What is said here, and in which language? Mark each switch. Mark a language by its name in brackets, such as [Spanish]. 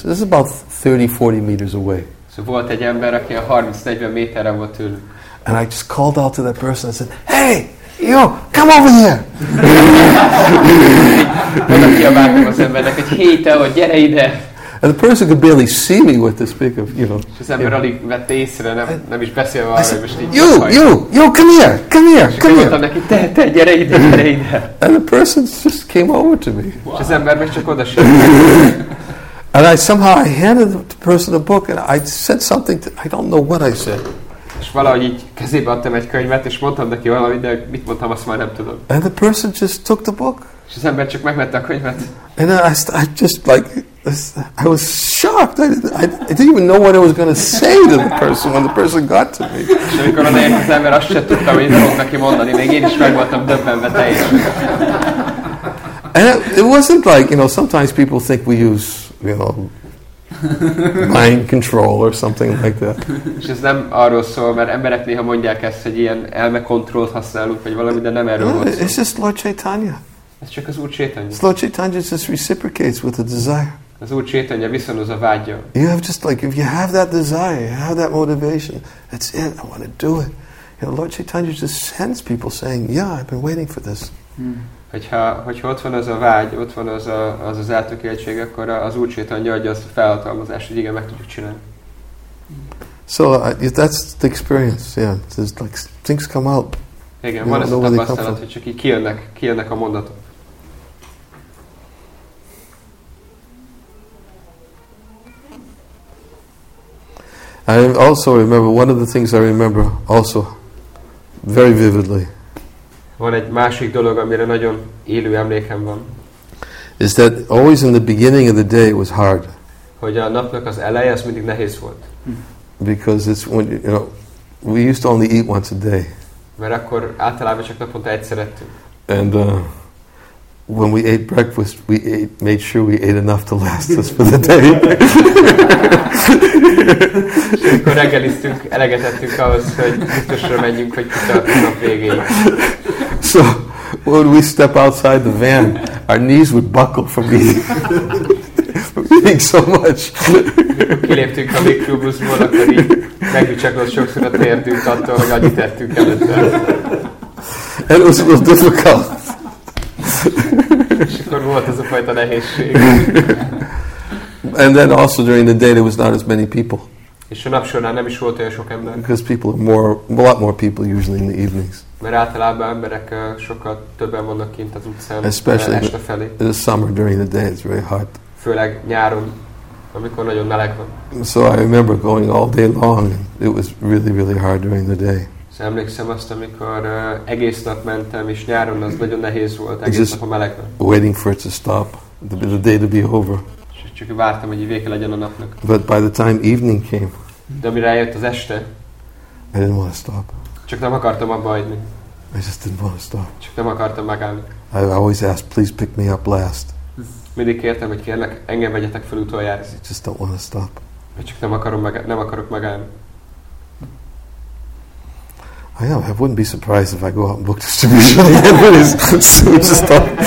[English] This is about 30-40 meters away. [Hungarian] So volt egy ember, aki a 30-40 méterre volt tőlünk. [English] And I just called out to that person and said, hey, yo, come over here. [Hungarian] Oda kiabáltam az embernek, hogy hey, te, gyere ide. [English] And the person could barely see me with this big of, you know. [Hungarian] És az ember alig vette észre, nem is beszélve arra, hogy most így. [English] You, come here. [Hungarian] És mondtam neki, te, gyere ide. [English] And the person just came over to me. [Hungarian] És az ember meg csak odasírt. [English] And I somehow I handed the person a book and I said something, I don't know what I said. [Hungarian] és valahogy így kezébe adtam egy könyvet, és mondtam neki valamit, de mit mondtam, azt már nem tudom. [English] And the person just took the book. [Hungarian] És az ember csak megvette a könyvet. [English] And I just like, I was shocked. I didn't even know what I was going to say to the person when the person got to me. [Hungarian] És amikor odaért az ember, azt sem tudtam, hogy mit fog neki mondani, még én is meg voltam döbbenve teljesen. [English] And it wasn't like, you know, sometimes people think we use, you know, mind control or something like that. [Hungarian] És ez nem arról szól, mert emberek néha mondják ezt, hogy ilyen elmekontrollt használunk, vagy valami, de nem erről volt szó. [English] It's just Lord Chaitanya. [Hungarian] Ez csak az Úr Chaitanya. [English] It's Lord Chaitanya just reciprocates with the desire. [Hungarian] Az Úr Chaitanya viszonoz a vágya. [English] You have just like, if you have that desire, you have that motivation, that's it, I want to do it. You know, Lord Chaitanya just sends people saying, yeah, I've been waiting for this. [Hungarian] Hogyha ott van az a vágy, ott van az eltökéltség, akkor az Úr Chaitanya adja azt a felhatalmazást, hogy igen, meg tudjuk csinálni. [English] So that's the experience, yeah. There's like things come out. [Hungarian] Igen, you van ez a tapasztalat, hogy csak így kijönnek a mondatok. [English] I also remember, one of the things I remember also very vividly. [Hungarian] Van egy másik dolog, amire nagyon élő emlékem van. [English] Is that always in the beginning of the day it was hard. [Hungarian] Hogy a napnak az eleje, az mindig nehéz volt. [English] Because it's when, you know, we used to only eat once a day. [Hungarian] Mert akkor általában csak naponta egyszer ettünk. [English] And when we ate breakfast, we ate, made sure we ate enough to last us for the day. [Hungarian] Akkor reggeliztünk, eleget ettünk ahhoz, hogy biztosra menjünk, hogy kitart a nap végéig. [English] So when we step outside the van, our knees would buckle from eating, from eating so much. [Hungarian] Kiléptünk a mikrobuszból, akkor így megbicsaklott sokszor a térdünk attól, hogy annyit ettünk előtte. [English] And it was difficult. [Hungarian] És akkor volt ez a fajta nehézség. [English] And then also during the day there was not as many people. [Hungarian] És a nap során nem is volt olyan sok ember. [English] Because people are more, a lot more people usually in the evenings. [Hungarian] Mert általában emberek sokkal többen vannak kint az utcán. [English] Especially [Hungarian] este felé. [English] In the summer during the day it's very hot. [Hungarian] Főleg nyáron, amikor nagyon meleg van. [English] So I remember going all day long. It was really, really hard during the day. [Hungarian] És emlékszem azt, amikor egész nap mentem, és nyáron az nagyon nehéz volt, egész nap a meleg van. [English] Waiting for it to stop, the day to be over. [Hungarian] Csak vártam, hogy vége legyen a napnak. [English] But by the time evening came, [Hungarian] de amire eljött az este, [English] I didn't want to stop. [Hungarian] Csak nem akartam abba hagyni. [English] I just didn't want to stop. [Hungarian] Csak nem akartam megállni. [English] I always asked, please pick me up last. [Hungarian] Mindig kértem, hogy kérlek, engem vegyetek fel utoljára. [English] I just don't want to stop. [Hungarian] Csak nem akarok megállni. [English] I know, I wouldn't be surprised if I go out and book distribution again when it's soon to stop.